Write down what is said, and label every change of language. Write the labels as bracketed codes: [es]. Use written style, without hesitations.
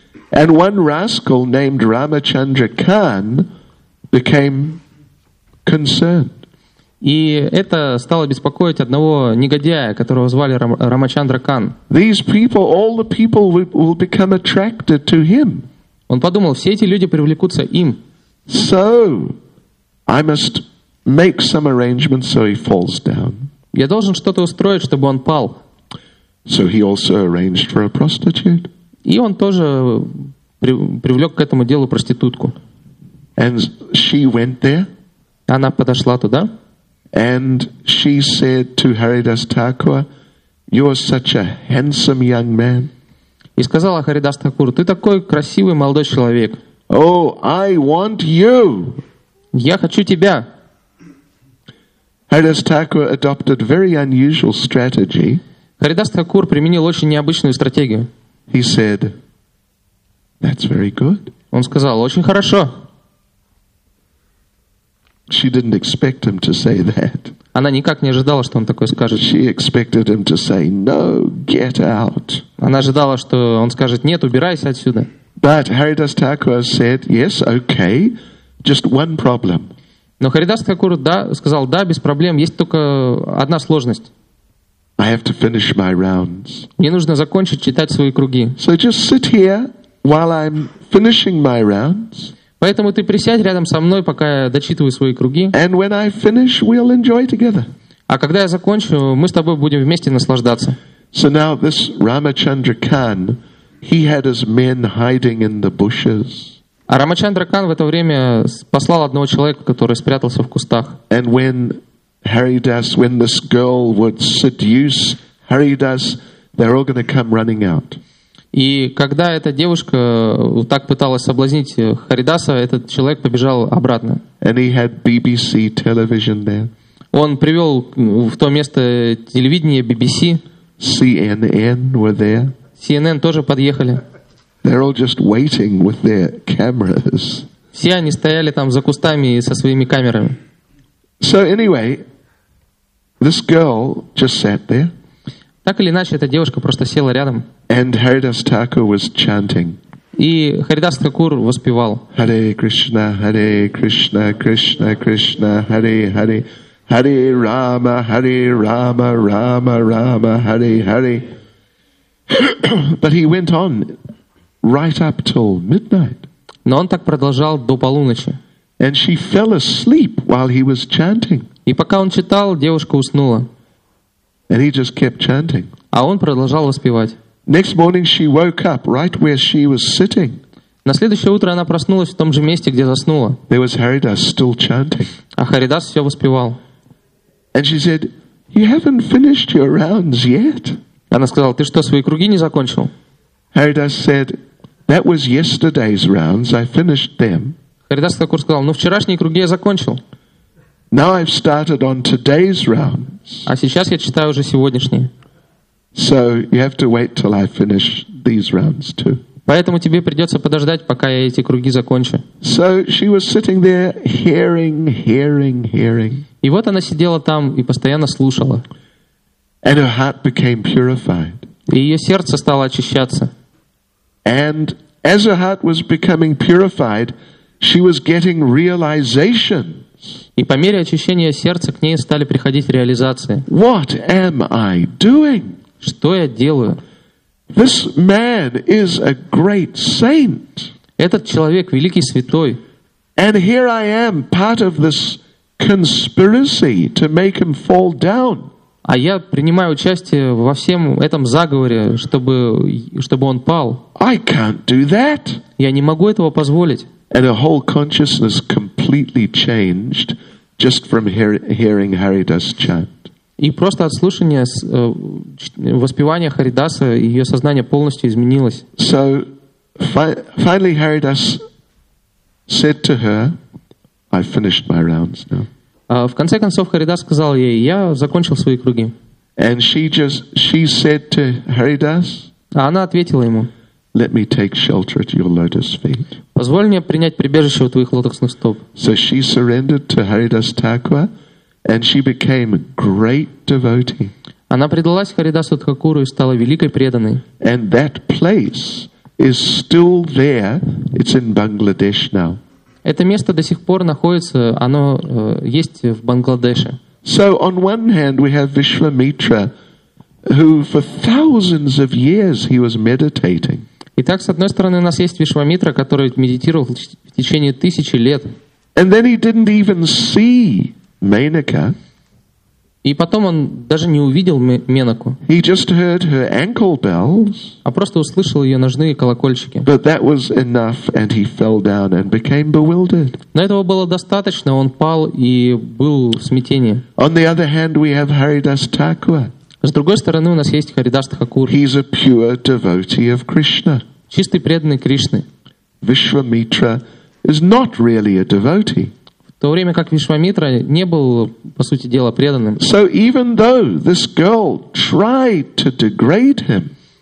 [en] And one rascal named Ramachandra Khan became concerned. [ru] И это стало беспокоить одного негодяя, которого звали Рамачандра Кан. [en] These people, all the people will become attracted to him. [ru] Он подумал, все эти люди привлекутся им. [en] So, I must make some arrangements so he falls down. [ru] Я должен что-то устроить, чтобы он пал. [en] So he also arranged for a prostitute. [ru] И он тоже привлек к этому делу проститутку. [en] And she went there. [ru] Она подошла туда. [en] And she said to Haridas Thakur, "You're such a handsome young man." [ru] И сказала Харидас Такур, "Ты такой красивый молодой человек." [en] Oh, I want you. [ru] Я хочу тебя. [en] Haridas Thakur adopted very unusual strategy. [ru] Харидас Такур применил очень необычную стратегию. [en] He said, "That's very good." [ru] Он сказал, "Очень хорошо." [en] She didn't expect him to say that. [ru] Она никак не ожидала, что он такое скажет. [en] She expected him to say, "No, get out." [ru] Она ожидала, что он скажет, "Нет, убирайся отсюда." [en] But Haridas Thakur said, "Yes, okay, just one problem." [ru] Но Харидас Такур да, сказал, да, без проблем, есть только одна сложность. [en] I have to finish my rounds. [ru] Мне нужно закончить читать свои круги. [en] So just sit here while I'm finishing my rounds. [ru] Поэтому ты присядь рядом со мной, пока я дочитываю свои круги. [en] And when I finish, we'll enjoy together. [ru] А когда я закончу, мы с тобой будем вместе наслаждаться. [en] So now this Ramachandra Khan, he had his men hiding in the bushes. [ru] А Рамачандра Кан в это время послал одного человека, который спрятался в кустах. [en] And when Haridas, when this girl would seduce Haridas, they're all going to come running out. [ru] И когда эта девушка так пыталась соблазнить Харидаса, этот человек побежал обратно. [en] And he had BBC television there. [ru] Он привел в то место телевидение BBC. [en] CNN were there. [ru] CNN тоже подъехали. [en] They're all just waiting with their cameras. [ru] Все они стояли там за кустами со своими камерами. [en] So anyway, this girl just sat there. [ru] Так или иначе, эта девушка просто села рядом. [en] And Haridas Thakur was chanting. [ru] И Харидас Такур воспевал. [sa] Hare Krishna, Hare Krishna, Krishna Krishna, Hare Hare. Hare Rama, Hare Rama, Rama Rama, Hare Hare. [en] But he went on. Right up till midnight. [ru] Но он так продолжал до полуночи. [en] And she fell asleep while he was chanting. [ru] И пока он читал, девушка уснула. [en] And he just kept chanting. [ru] А он продолжал воспевать. [en] Next morning she woke up right where she was sitting. [ru] На следующее утро она проснулась в том же месте, где заснула. [en] There was Haridas still chanting. [ru] А Харидас все воспевал. [en] And she said, "You haven't finished your rounds yet." [ru] Она сказала, "Ты что, свои круги не закончил?" [en] Haridas said, "That was yesterday's rounds. I finished them." [ru] Haridas Thakur сказал, "Ну вчерашние круги я закончил." [en] Now I've started on today's rounds. [ru] А сейчас я читаю уже сегодняшние. [en] So you have to wait till I finish these rounds too. [ru] Поэтому тебе придется подождать, пока я эти круги закончу. [en] So she was sitting there hearing, hearing, hearing. [ru] И вот она сидела там и постоянно слушала. [en] And her heart became purified. [ru] И ее сердце стало очищаться. [en] And as her heart was becoming purified, she was getting realizations. [ru] И по мере очищения сердца к ней стали приходить реализации. [en] What am I doing? [ru] Что я делаю? [en] This man is a great saint. [ru] Этот человек великий святой. [en] And here I am, part of this conspiracy to make him fall down. [ru] А я принимаю участие во всем этом заговоре, чтобы он пал. [en] I can't do that. [ru] Я не могу этого позволить. [en] And her whole consciousness completely changed just from hearing Haridas chant. [ru] И просто от слушания воспевания Харидаса ее сознание полностью изменилось. [en] So finally Haridas said to her, I finished my rounds now. [ru] В конце концов Харидас сказал ей, я закончил свои круги. [en] And she said to Haridas, [ru] а она ответила ему, [en] let me take shelter at your lotus feet. [ru] Позволь мне принять прибежище у твоих лотосных стоп. [en] So she surrendered to Haridas Thakura. And she became a great devotee. [ru] Она предалась Харидасу Тхакуру и стала великой преданной. [en] And that place is still there. It's in Bangladesh now. [ru] Это место до сих пор находится, оно есть в Бангладеше. [en] So on one hand we have Vishwamitra, who for thousands of years he was meditating. [ru] Итак, с одной стороны у нас есть Вишвамитра, который медитировал в течение тысячи лет. [en] And then he didn't even see Menaka. [ru] И потом он даже не увидел Менаку. [en] He just heard her ankle bells. [ru] А просто услышал ее ножные колокольчики. [en] But that was enough, and he fell down and became bewildered. [ru] Но этого было достаточно, он пал и был в смятении. [en] On the other hand, we have Haridas Thakura. [ru] С другой стороны, у нас есть Харидас Тхакур. [en] He's a pure devotee of Krishna. [ru] Чистый преданный Кришны. [en] Vishwamitra is not really a devotee. [ru] В то время как Вишвамитра не был, по сути дела, преданным. [en] So even though this girl tried to degrade him,